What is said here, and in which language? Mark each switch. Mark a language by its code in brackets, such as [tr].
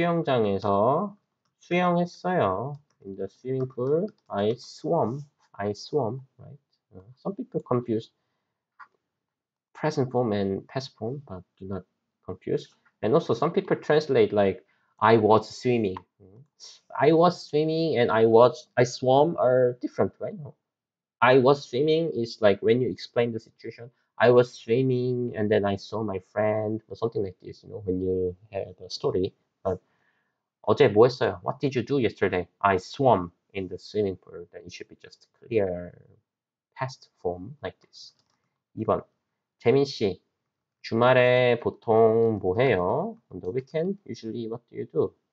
[ko] 수영장에서 수영했어요. [en] In the swimming pool, I swam. I swam, right? Some people confuse present form and past form, but do not confuse. And also, some people translate like I was swimming. I was swimming and I swam are different, right? I was swimming is like when you explain the situation. I was swimming and then I saw my friend or something like this. You know, when you have a story, but [ko] 어제 뭐 했어요? [en] What did you do yesterday? I swam in the swimming pool. Then it should be just clear past form like this. [ko] 2번. 재민 씨, 주말에 보통 뭐 해요? [en] On the weekend, usually what do you do?